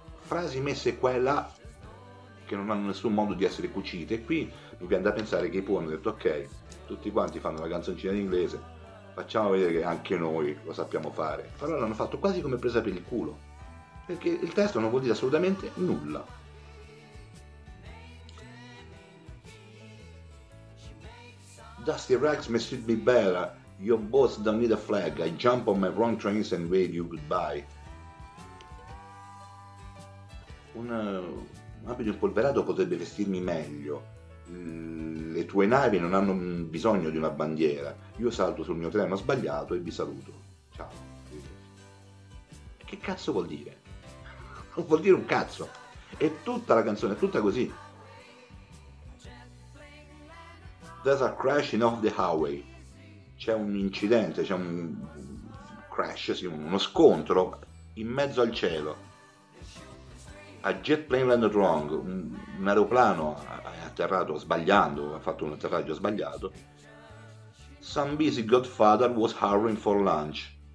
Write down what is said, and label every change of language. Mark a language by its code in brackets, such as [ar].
[it] Frasi messe qua e là che non hanno nessun modo di essere cucite. Qui mi viene da pensare che i Pooh hanno detto, ok, tutti quanti fanno la canzoncina in inglese, facciamo vedere che anche noi lo sappiamo fare. Allora l'hanno fatto quasi come presa per il culo. perché il testo non vuol dire assolutamente nulla. [en] Dusty Rags may suit me better, your boss don't need a flag, I jump on my wrong trains and wave you goodbye. [it] Un abito impolverato potrebbe vestirmi meglio, le tue navi non hanno bisogno di una bandiera, io salto sul mio treno sbagliato e vi saluto, ciao. Che cazzo vuol dire? Non vuol dire un cazzo, è tutta la canzone, è tutta così. [en] There's a crashing off the highway. [it] C'è un incidente, c'è un crash, sì, uno scontro in mezzo al cielo. [en] A jet plane landed wrong. [it] Un aeroplano è atterrato sbagliando, ha fatto un atterraggio sbagliato. [en] Some busy godfather was hurrying for lunch.